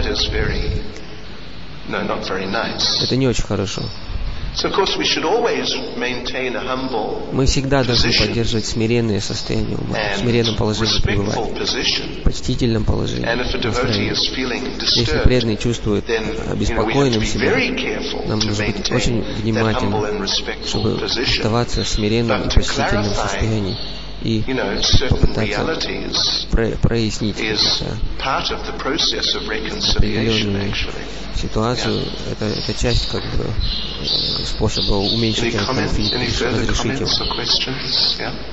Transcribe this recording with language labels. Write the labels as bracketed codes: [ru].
[en] So that is very, no, not very nice. [ru] Это не очень хорошо. [en] So of course we should always maintain a humble position. [ru] Мы всегда должны поддерживать смиренное состояние ума, в смиренном положении пребывать, в почтительном положении. [en] And if a devotee is feeling disturbed, then you know, we have to be very careful to maintain that humble and respectful position. [ru] Чтобы оставаться в смиренном и почтительном состоянии и попытаться прояснить определенную ситуацию. Это часть как бы способа уменьшить этот конфликт, разрешить его.